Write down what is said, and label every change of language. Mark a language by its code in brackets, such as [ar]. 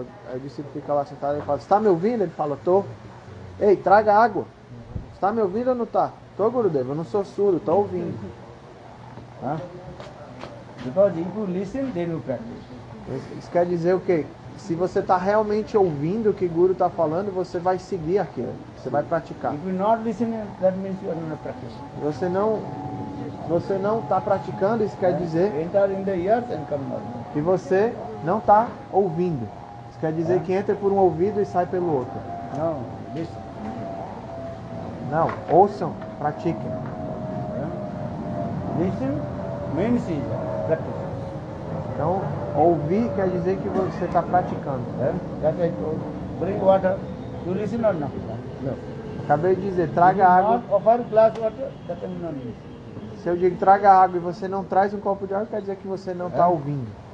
[pt] Aí o discípulo fica lá sentado e fala, está me ouvindo? Ele fala, tô. Ei, traga água. Está me ouvindo ou não tá? Tô, Gurudeva, eu não sou surdo, tô ouvindo. [en] Hã? Because if you listen, then you practice. [pt] Isso quer dizer o quê? Se você está realmente ouvindo o que o Guru está falando, você vai seguir aquilo. Você vai praticar. [en] If you not listening, that means you are not practicing. [pt] Você não está praticando, isso quer dizer. [en] Enter in the ears and come out. [pt] E você não está ouvindo. Isso quer dizer que entra por um ouvido e sai pelo outro. Não, listen. Não, ouçam, pratiquem. [en] Listen means practice. [pt] Então, ouvir quer dizer que você está praticando. [en] That's it. Bring water. You listen or not? [pt] No. Acabei de dizer, traga água. [en] If you not offer glass water, that means not listen. [pt] Se eu digo traga água e você não traz um copo de água, quer dizer que você não está ouvindo.